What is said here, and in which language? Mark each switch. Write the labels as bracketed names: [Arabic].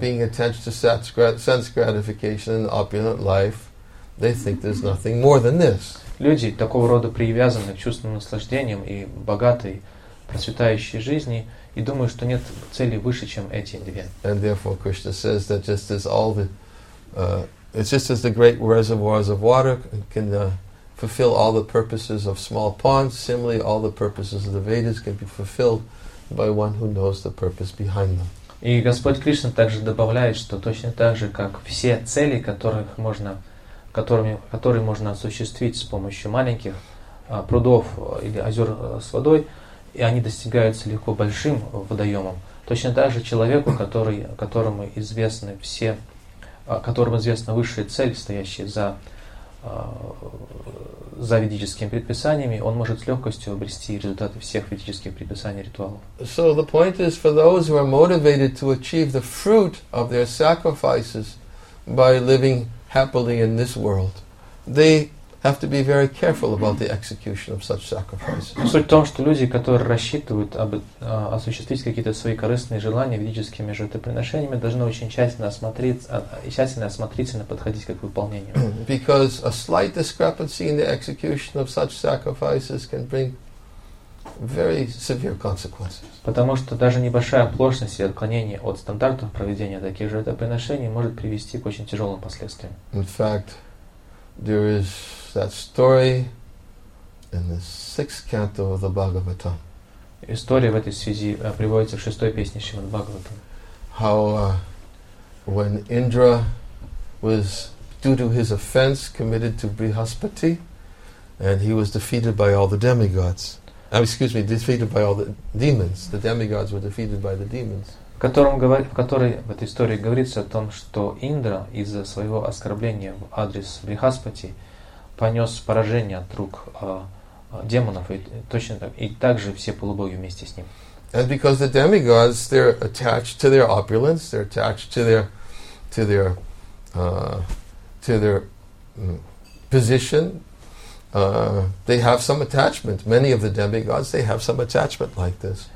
[English] Being attached to sense gratification and opulent life, they think there's nothing more than this. [Russian] Люди такого рода привязаны к чувственным наслаждениям и богатой процветающей жизни. И думаю, что нет цели выше, чем эти две. [English] And therefore Krishna says that just as all the it's just as the great reservoirs of water can fulfill all the purposes of small ponds, similarly all the purposes of the Vedas can be fulfilled by one who knows the purpose behind them. [Russian] И Господь Кришна также добавляет, что точно так же, как все цели, которые можно осуществить с помощью маленьких прудов или озер с водой, и они достигаются легко большим водоемом. Точно так же человеку, которому известны все, которому известна высшая цель, стоящая за ведическими предписаниями, он может с легкостью обрести результаты всех ведических предписаний и ритуалов. [English] So the point is for those who are motivated to achieve the fruit of their sacrifices by living happily in this world, they have to be very careful about the execution of such sacrifices. [Russian] Суть в том, что люди, которые рассчитывают осуществить какие-то свои корыстные желания ведическими жертвоприношениями, должны очень тщательно осмотрительно подходить к выполнению. [English] Because a slight discrepancy in the execution of such sacrifices can bring very severe consequences. [Russian] Потому что даже небольшая оплошность и отклонение от стандартов проведения таких жертвоприношений может привести к очень тяжелым последствиям. [English] In fact, there is that story in the sixth canto of the Bhagavatam. [Russian] История в этой связи приводится в шестой песне Шримад Бхагаватам. [English] How when Indra was due to his offense committed to Brihaspati, and he was defeated by all the demigods. Defeated by all the demons. The demigods were defeated by the demons. [Russian] В которой в этой истории говорится о том, что Индра из-за своего оскорбления в адрес Брихаспати понес поражение от рук демонов, и также все полубоги вместе с ним. [English] And because the demigods, they're attached to their opulence, they're attached to their position, they have some attachment. Many of the demigods, they have some attachment like this.